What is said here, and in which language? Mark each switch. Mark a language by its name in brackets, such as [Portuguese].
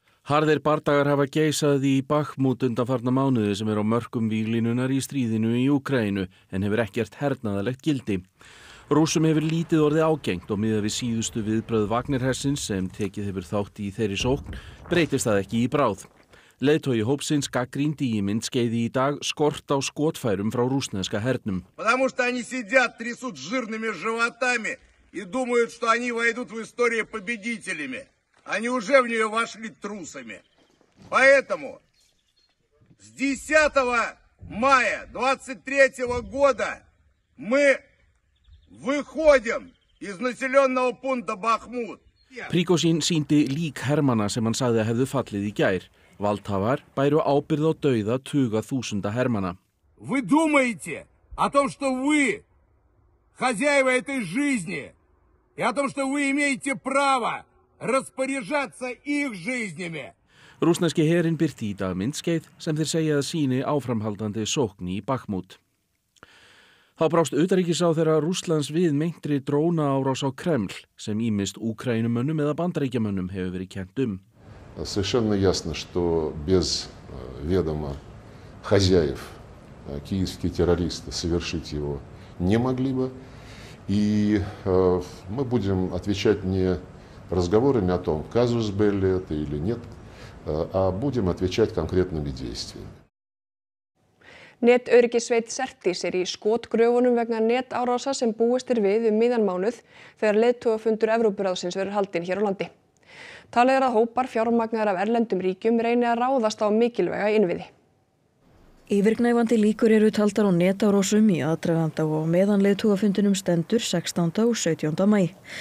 [Icelandic] Harðir bardagar hafa geisað í Bakhmút undanfarna mánuði sem á mörkum víglínunar í stríðinu í Úkraínu en hefur ekkert hernaðarlegt gildi. Rússum hefur lítið orðið ágengt og miðað við síðustu viðbrögð Wagnerhersins sem tekið hefur þátt í þeirri sókn breytist það ekki í bráð. Leiðtogi hópsins gagnrýndi í myndskeiði í dag skort á skotfærum frá rússneska hernum. [Russian] Потому что они сидят, трясут жирными животами и думают, что они войдут в историю победителями. Они уже в нее вошли трусами. Поэтому с 10 мая 23 года мы выходим из населенного пункта Бахмут. [Icelandic] Прикосин синти лик Хермана, sem hann sagði að hefðu fallið í gær. Valdhafar bæru ábyrgð á dauða tuga þúsunda Hermana. [Russian] Вы думаете о том, что вы хозяева этой жизни и о том, что вы имеете право распоряжаться их жизнями. [Icelandic] Rússneski herinn birti í dag myndskeið sem þeir segja að sýni áframhaldandi sókn í Bakhmút. Þá brást utanríkisráðherra Rússlands við meintri drónaárás á Kreml sem ýmist Úkraínumönnum eða Bandaríkjamönnum hefur verið kennt [Russian] Совершенно ясно, что без ведома хозяев киевские террористы совершить его не могли бы. И мы будем отвечать не разговорами о том, казус белли это или нет, а будем отвечать конкретными действиями. [Icelandic] Netöryggissveit Sertis í skotgröfunum vegna netárása sem búist við um miðjan mánuð þegar leiðtogafundur Evrópuráðsins verður haldinn hér á landi. Talið að hópar fjármagnaðar af erlendum ríkjum reyni að ráðast á mikilvæga innviði. Yfirgnæfandi líkur eru taldar á netárásum í aðdraganda og meðan leiðtogafundinum stendur 16. og 17. maí.